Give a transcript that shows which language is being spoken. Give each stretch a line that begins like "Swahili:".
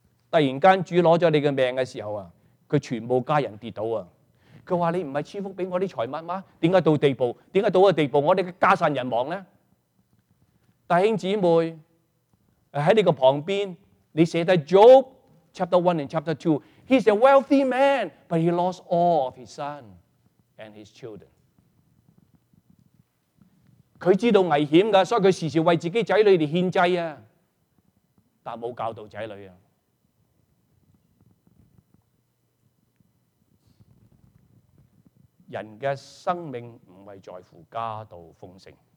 Chinese: 突然间主拿了你的命的时候，他全部家人跌倒。他说，你不是赐福给我的财物吗？为什么到地步我们的家散人亡呢？弟兄姊妹，在你的旁边，你写在
English: Job chapter 1 and chapter 2， He's a wealthy man, but he lost all of his son and his children.
Chinese: 他知道危险的，所以他时时为自己仔女献祭，但没有教导仔女。人的生命不是在乎家道丰盛。